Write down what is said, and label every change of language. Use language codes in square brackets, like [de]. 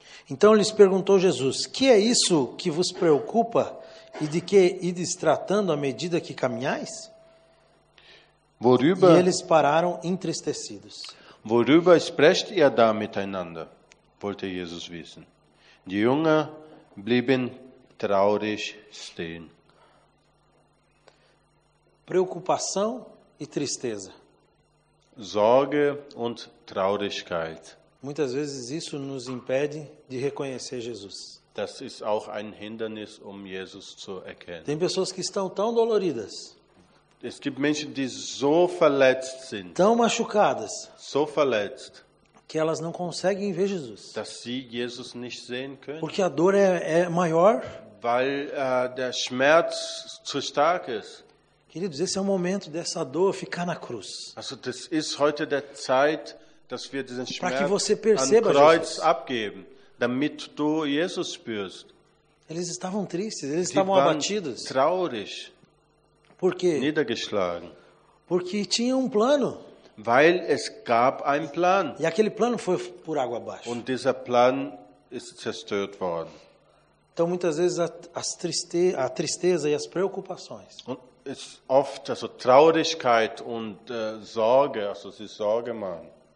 [pt] Então lhes perguntou Jesus: que é isso que vos preocupa e de que ides tratando à medida que caminhais? [de] Worüber, [pt] e eles pararam entristecidos. [de] Worüber sprecht ihr da miteinander? Wollte Jesus wissen. Die Jünger blieben traurig stehen. [pt] Preocupação e tristeza. [de] Sorge und Traurigkeit. [pt] Muitas vezes isso nos impede de reconhecer Jesus. [de] Das ist auch ein Hindernis, Jesus zu erkennen. [pt] Tem pessoas que estão tão doloridas. [de] Es gibt Menschen, die so verletzt sind. [pt] Tão machucadas. [de] So verletzt. [pt] Que elas não conseguem ver Jesus. [de] Dass sie Jesus nicht sehen können. [pt] Porque a dor é maior. [de] Weil der Schmerz zu stark ist. [pt] Queridos, esse é o momento dessa dor ficar na cruz. [de] Also, das ist heute der Zeit, dass wir diesen Schmerz [pt] para que você perceba [de] am Kreuz [pt] Jesus. [de] Abgeben, damit du Jesus spürst. [pt] Eles estavam tristes, eles estavam abatidos. [de] Traurig. [pt] Por quê? [de] Niedergeschlagen. [pt] Porque tinha um plano. [de] Weil es gab einen Plan. [pt] E aquele plano foi por água abaixo. [de] Und dieser Plan ist zerstört worden. [pt] Então muitas vezes a tristeza e as preocupações. [de] Und es oft also Traurigkeit und Sorge, also sie Sorge machen.